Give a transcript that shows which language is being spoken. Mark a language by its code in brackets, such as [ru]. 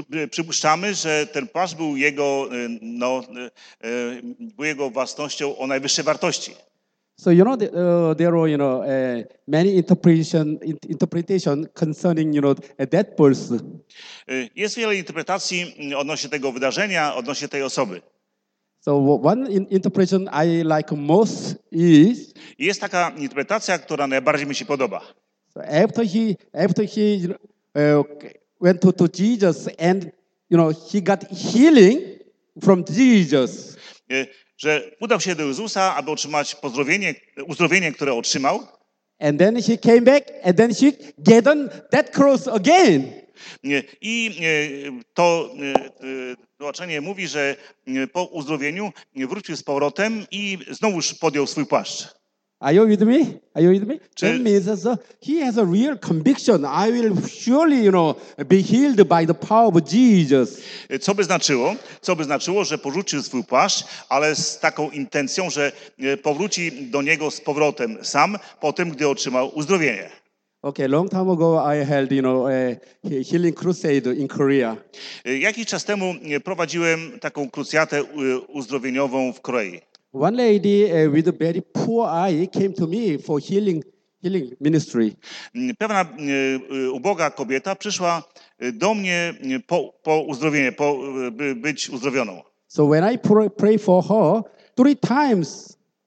[pl] Przypuszczamy, że ten płaszcz był jego, no, był jego własnością o najwyższej wartości. [en] So you know there are, you know, many interpretation concerning, you know, that verse. [pl] Jest wiele interpretacji odnośnie tego wydarzenia, odnośnie tej osoby. [en] So one interpretation I like most is. [pl] Jest taka interpretacja, która najbardziej mi się podoba. [en] So after he went to Jesus and, you know, he got healing from Jesus. [pl] Że udał się do Jezusa, aby otrzymać pozdrowienie, uzdrowienie, które otrzymał. [en] And then he came back and then he got on that cross again. [pl] I to tłumaczenie mówi, że po uzdrowieniu wrócił z powrotem i znowu podjął swój płaszcz. [en] Are you with me? Are you with me? That means he has a real conviction. I will surely, you know, be healed by the power of Jesus. [pl] Co by znaczyło? Co by znaczyło, że porzucił swój płaszcz, ale z taką intencją, że powróci do niego z powrotem sam po tym, gdy otrzymał uzdrowienie. [en] Okay, long time ago I held, you know, a healing crusade in Korea. [pl] Jakiś czas temu prowadziłem taką krucjatę uzdrowieniową w Korei. [en] One lady with a very poor eye came to me for healing ministry. [pl] Pewna uboga kobieta przyszła do mnie po uzdrowienie, by być uzdrowioną. [en] So when I pray for her three times.